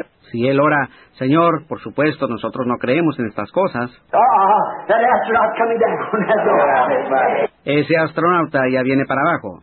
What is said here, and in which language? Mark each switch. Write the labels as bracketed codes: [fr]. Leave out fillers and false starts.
[es] Si él ora, Señor, por supuesto, nosotros no creemos en estas cosas. [en] That astronaut coming down. [es] Ese astronauta ya viene para abajo.